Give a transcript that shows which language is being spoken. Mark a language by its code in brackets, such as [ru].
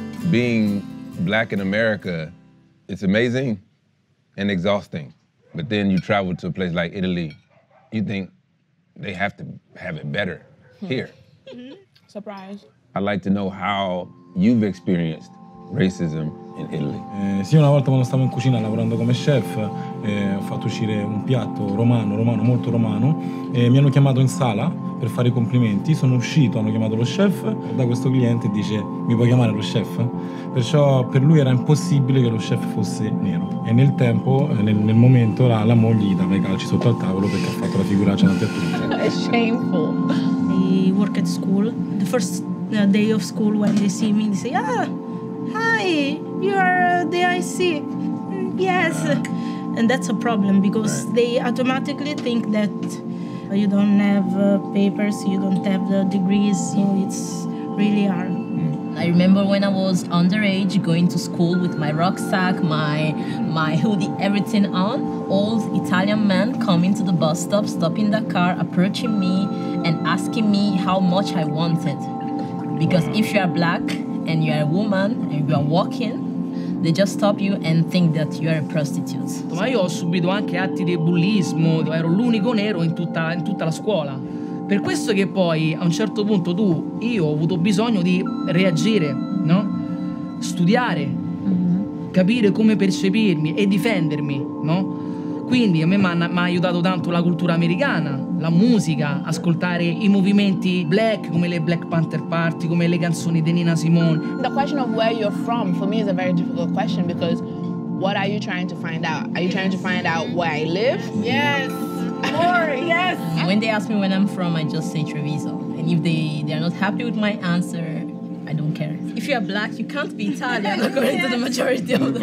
[en] Being black in America, it's amazing and exhausting. But then you travel to a place like Italy, you think they have to have it better here. Surprise. I'd like to know how you've experienced racism in Italy. [it] Sì, una volta quando stavo in cucina lavorando come chef, ho fatto uscire un piatto romano, molto romano, e mi hanno chiamato in sala per fare I complimenti. Sono uscito, hanno chiamato lo chef, da questo cliente dice, mi puoi chiamare lo chef? Perciò per lui era impossibile che lo chef fosse nero. E nel tempo, nel momento, la moglie gli dava I calci sotto al tavolo perché ha fatto la figuraccia davanti a tutti. [en] It's shameful. They work at school. The first day of school, when they see me, they say, ah, hi, you are the IC. Yes. And that's a problem because they automatically think that you don't have papers, you don't have the degrees, so it's really hard. I remember when I was underage, going to school with my rucksack, my hoodie, everything on, old Italian man coming to the bus stop, stopping the car, approaching me and asking me how much I wanted. Because if you are black and you are a woman and you are walking, they just stop you and think that you are a prostitute. [it] Ma io ho subito anche atti di bullismo, ero l'unico nero in tutta la scuola. Per questo che poi a un certo punto tu, io ho avuto bisogno di reagire, no? Studiare, capire come percepirmi e difendermi, no? Quindi a me mi ha aiutato tanto la cultura americana, la musica, ascoltare i movimenti black, come le Black Panther Party, come le canzoni di Nina Simone. [en] The question of where you're from, for me, is a very difficult question because what are you trying to find out? Are you trying to find out where I live? Yes, more, yes. When they ask me where I'm from, I just say Treviso. And if they are not happy with my answer, I don't care. If you are black, you can't be Italian, according to the majority of them.